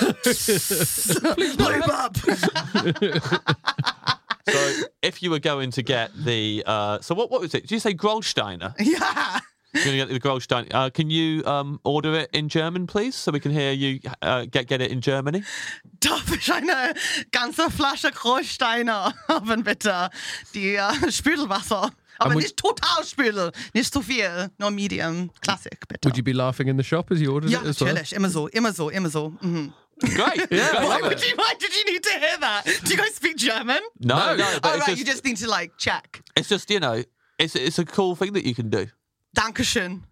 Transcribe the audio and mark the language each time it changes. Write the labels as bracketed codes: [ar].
[en] Please blow up. So if you were going to get the. So what was it? Did you say Gerolsteiner? Yeah. You're going to get the Grolstein. Can you order it in German, please, so we can hear you get it in Germany? [de] Darf ich eine ganze Flasche Grolsteiner haben, bitte? Die Spüdelwasser. Aber nicht total Spüdel. Nicht zu viel. Nur medium. Classic, bitte. [en] Would you be laughing in the shop as you ordered it as well? [de] Ja, natürlich. Immer so. Mm-hmm. [en] Great. Yeah. Why did you need to hear that? Do you guys speak German? No. You just need to like check. It's just, you know, it's a cool thing that you can do. [de] Dankeschön.